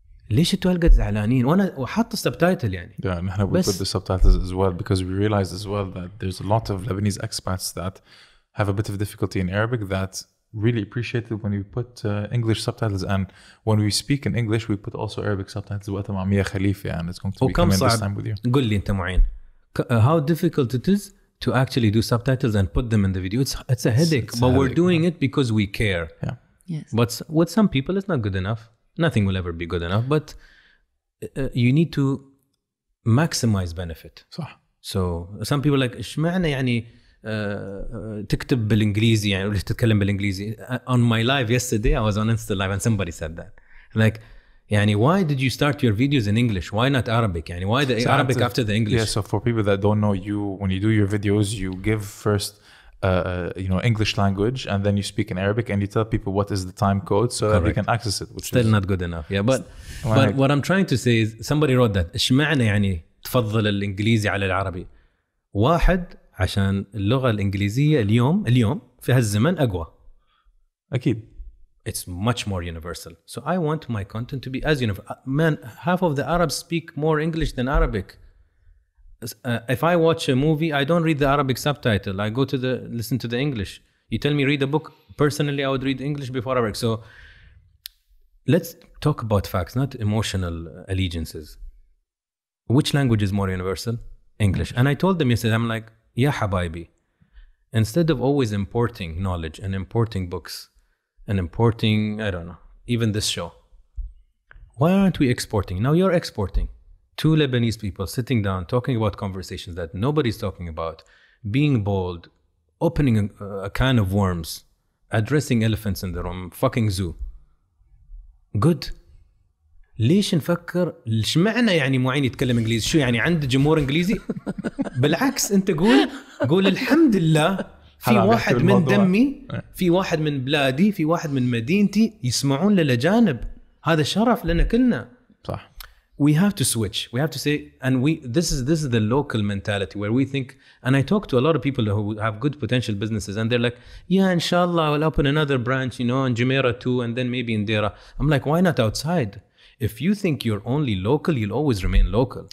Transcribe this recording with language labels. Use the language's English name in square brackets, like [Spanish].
[Arabic] ليش انتوا هالقد زعلانين وانا وحاط السبتايتل يعني؟ نحن [English] we put the subtitles as well because we realize as well that there's a lot of Lebanese expats that have a bit of difficulty in Arabic that really appreciate it when we put English subtitles, and when we speak in English we put also Arabic subtitles. [Arabic] وقتها مع ميا خليفة [English] and it's going to be coming this time with you. [Arabic] قل لي انت معين [English] how difficult it is to actually do subtitles and put them in the video. It's a headache, it's but a headache, we're doing it because we care. Yeah. Yes. But with some people it's not good enough. Nothing will ever be good enough, but you need to maximize benefit. [Arabic] صح. [English] So some people are like, [Arabic] ايش معنى يعني تكتب بالانجليزي يعني ليش تتكلم بالانجليزي؟ [English] On my live yesterday I was on Insta live and somebody said that. Like [Arabic] يعني [English] why did you start your videos in English? Why not Arabic? [Arabic] يعني [English] why the so Arabic after the English? Yeah, so for people that don't know you, when you do your videos you give first you know English language and then you speak in Arabic and you tell people what is the time code so that they can access it, which still is not good enough. Yeah, but what I'm trying to say is somebody wrote that. [Arabic] ايش معنى يعني تفضل الانجليزي على العربي؟ واحد عشان اللغة الإنجليزية اليوم في هالزمن أقوى. أكيد. [English] It's much more universal. So I want my content to be as universal. Man, half of the Arabs speak more English than Arabic. If I watch a movie, I don't read the Arabic subtitle. I go to the listen to the English. You tell me read a book. Personally, I would read English before Arabic. So let's talk about facts, not emotional allegiances. Which language is more universal? English. And I told them yesterday, I'm like, [Arabic] يا حبايبي, [English] instead of always importing knowledge and importing books and importing, I don't know, even this show, why aren't we exporting? Now you're exporting. Two Lebanese people sitting down, talking about conversations that nobody's talking about, being bold, opening a can of worms, addressing elephants in the room, fucking zoo. Good. [Arabic] ليش نفكر ليش معنى يعني معين يتكلم انجليزي شو يعني عند جمهور انجليزي بالعكس انت قول الحمد لله في واحد من دمي في واحد من بلادي في واحد من مدينتي يسمعون للاجانب هذا شرف لنا كلنا صح [English] we have to switch we have to say and we this is the local mentality where we think and I talk to a lot of people who have good potential businesses and they're like yeah inshallah I'll open another branch you know in Jumeirah too and then maybe in Deira I'm like why not outside If you think you're only local, you'll always remain local.